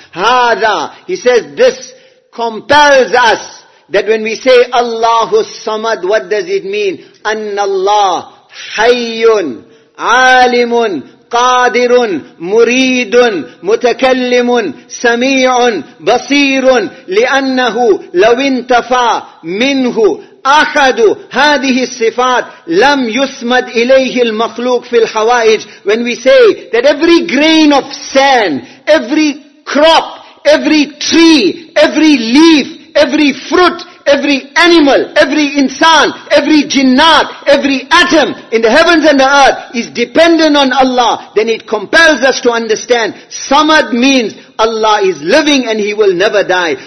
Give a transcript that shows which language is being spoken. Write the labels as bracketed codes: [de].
[en] Hada, he says, this compels us that when we say Allahu samad, what does it mean? [ar] Anna Allah hayyun, alimun, قادر مريد متكلم سميع بصير لأنه لو انتفى منه أحد هذه الصفات لم يسمد إليه المخلوق في الحوائج. [en] When we say that every grain of sand, every crop, every tree, every leaf, every fruit, every animal, every insan, every jinnat, every atom in the heavens and the earth is dependent on Allah, then it compels us to understand, samad means Allah is living and He will never die.